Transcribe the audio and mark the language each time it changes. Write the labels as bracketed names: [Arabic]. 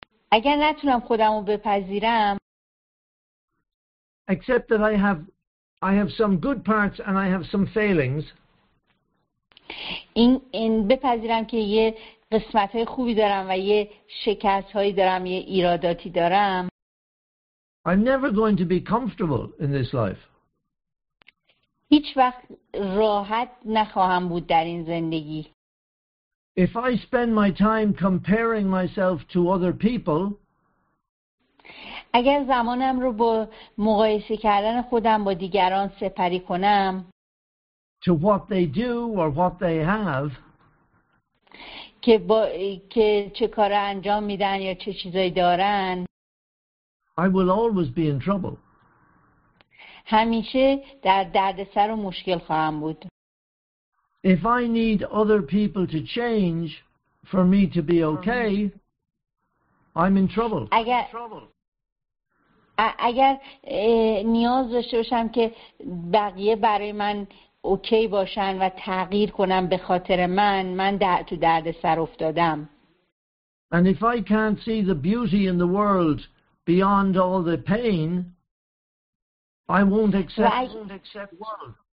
[Persian] اگر نتونم خودم رو بپذیرم... [English] Except that I have some good parts and I have some failings. [Persian] این بپذیرم که یه قسمت‌های خوبی دارم و یه شکست‌هایی دارم، یه ایراداتی دارم. [English] I'm never going to be comfortable in this life. [Persian] هیچ وقت راحت نخواهم بود در این زندگی. [English] If I spend my time comparing myself to other people, [Persian] اگر زمانم رو با مقایسه کردن خودم با دیگران سپری کنم [English] to what they do or what they have [Persian] که چه کار انجام میدن یا چه چیزایی دارن [English] I will always be in trouble [Persian] همیشه در دردسر و مشکل خواهم بود [English] If I need other people to change for me to be okay I'm in trouble [Persian] اگر نیاز داشته باشم که بقیه برای من اوکی باشن و تغییر کنم به خاطر من تو درد سر افتادم. [English] And if I can't see the beauty in the world beyond all the pain, I won't accept world.